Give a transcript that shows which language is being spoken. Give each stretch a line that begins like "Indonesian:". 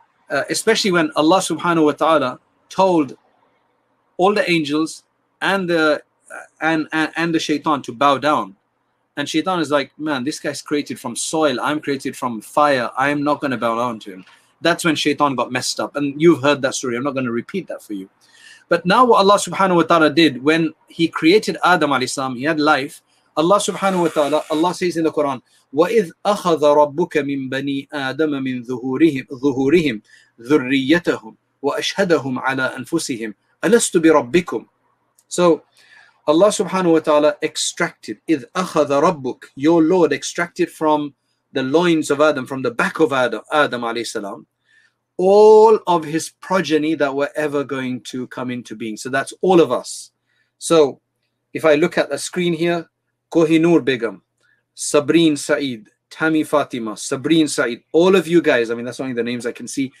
English: Especially when Allah subhanahu wa ta'ala told all the angels and the shaitan to bow down. And shaitan is like, man, this guy's created from soil. I'm created from fire. I am not going to bow down to him. That's when shaitan got messed up. And you've heard that story. I'm not going to repeat that for you. But now what Allah subhanahu wa ta'ala did when he created Adam alayhi salam, he had life. Allah subhanahu wa ta'ala, Allah says in the Quran,
Arabic: وَإِذْ أَخَذَ رَبُّكَ مِنْ بَنِي آدَمَ مِنْ ظُهُورِهِمْ ذُرِّيَّتَهُمْ وَأَشْهَدَهُمْ عَلَىٰ أَنفُسِهِمْ أَلَسْتُ بِرَبِّكُمْ.
English: So Allah subhanahu wa ta'ala extracted,
Arabic: إِذْ أَخَذَ رَبُّكَ,
English: your Lord extracted from the loins of Adam, from the back of Adam alayhi salam, all of his progeny that were ever going to come into being. So that's all of us. So if I look at the screen here, Kohinoor Begum, Sabreen Saeed, Tammy Fatima, Sabreen Saeed, all of you guys, I mean, that's only the names I can see.